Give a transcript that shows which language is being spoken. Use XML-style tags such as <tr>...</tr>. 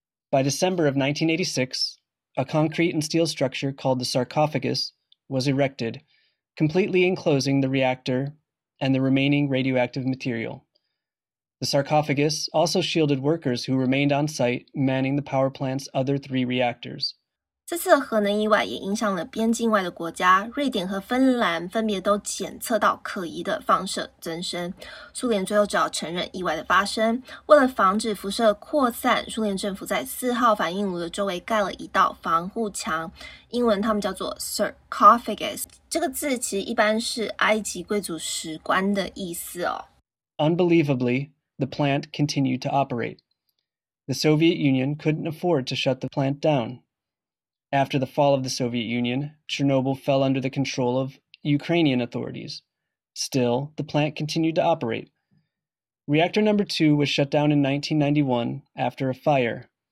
<en>By December of 1986, a concrete and steel structure called the sarcophagus was erected, completely enclosing the reactor and the remaining radioactive material. The sarcophagus also shielded workers who remained on site manning the power plant's other three reactors.</en> <zh>这次的核能意外也影响了边境外的国家，瑞典和芬兰分别都检测到可疑的放射增生。苏联最后只好承认意外的发生。为了防止辐射扩散，苏联政府在四号反应炉的周围盖了一道防护墙，英文他们叫做 sarcophagus。这个字其实一般是埃及贵族石棺的意思哦。</zh> <en>Unbelievably, the plant continued to operate. The Soviet Union couldn't afford to shut the plant down. After the fall of the Soviet Union, Chernobyl fell under the control of Ukrainian authorities. Still, the plant continued to operate. Reactor number 2 was shut down in 1991 after a fire.</en>